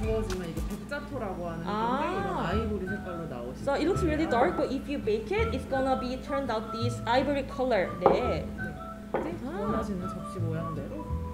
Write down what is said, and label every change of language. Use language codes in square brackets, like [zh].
[ko] 구워주면 이게 백자토라고 하는 건데 이런 아이보리 색깔로 나오시. [en] So it looks really dark, but if you bake it, it's gonna be turned out this ivory color. [ko] 네. 네. 원하시는 접시 모양대로.